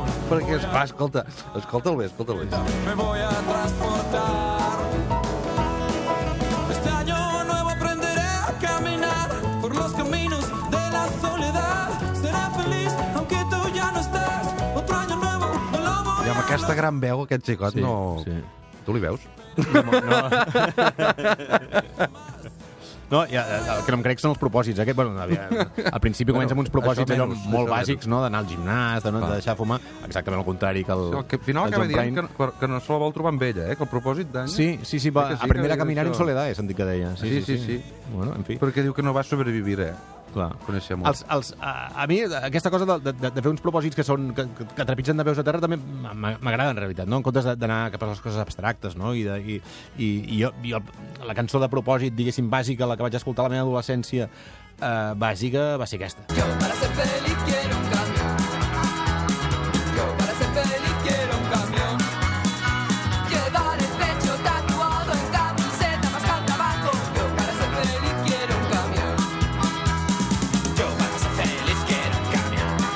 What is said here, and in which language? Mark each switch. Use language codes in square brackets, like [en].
[ca] Perquè es fa, escolta'l bé. [es] Me voy a transportar. Este año nuevo aprenderé a caminar por los caminos de la soledad. Seré feliz aunque tú ya no estés. Otro año nuevo no lo voy a... [ca] I amb aquesta gran veu, aquest xicot, sí, no... Sí. Tu li veus? No. No, ja, el que no em crec són els propòsits. Aquest, bueno, al principi comença amb uns propòsits allò, molt bàsics, no?, d'anar al gimnàs, de deixar fumar, exactament el contrari que el John Prine. Al final acaba dient que no se la vol trobar amb ella, que el propòsit d'any... Sí, va, sí, aprendre a caminar en soledat, sentit que deia. Sí. Bueno, en fi. Perquè diu que no va sobrevivir, Clar, coneixia molt. A mi, aquesta cosa de fer uns propòsits que són que trepitgen de peus a terra també m'agrada, en realitat, no? En comptes d'anar cap a les coses abstractes, no? I jo, la cançó de propòsit, diguéssim, bàsica, la que vaig escoltar a la meva adolescència, bàsica, va ser aquesta. [es] Yo para ser feliz quiero un camión. Yo para ser feliz quiero un camión. Llevar el pecho tatuado en camiseta más que al trabajo. Yo para ser feliz quiero un camión. Yo para ser feliz quiero un camión.